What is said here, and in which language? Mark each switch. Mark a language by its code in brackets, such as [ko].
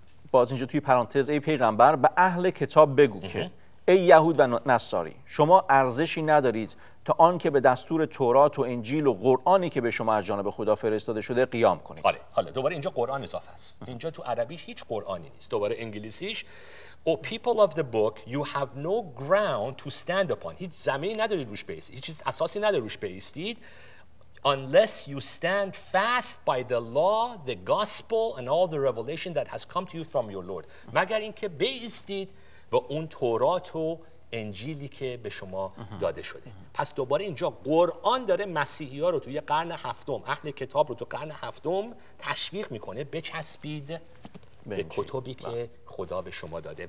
[fa] باز اینجا توی پرانتز، ای پیغمبر به اهل کتاب بگو که ای یهود و نصاری، شما ارزشی ندارید تا آن که به دستور تورات و انجیل و قرآنی که به شما از جانب خدا فرستاده شده قیام کنید. آره، حالا دوباره اینجا قرآن اضافه است. اینجا تو عربیش هیچ قرآنی نیست. دوباره انگلیسیش [en] O people of the book, you have no ground to stand upon. [fa] هیچ زمینی ندارید روش بیستید. هیچ چیز اساسی ندارید روش بیستید. [en] Unless you stand fast by the law, the gospel and all the revelation that has come to you from your Lord. [fa] مگر اینکه بیستید و اون تورات و انجیلی که به شما داده شده. پس دوباره اینجا قرآن داره مسیحی ها رو توی قرن هفتم، اهل کتاب رو توی قرن هفتم تشویق میکنه بچسبید به کتبی که خدا به شما داده.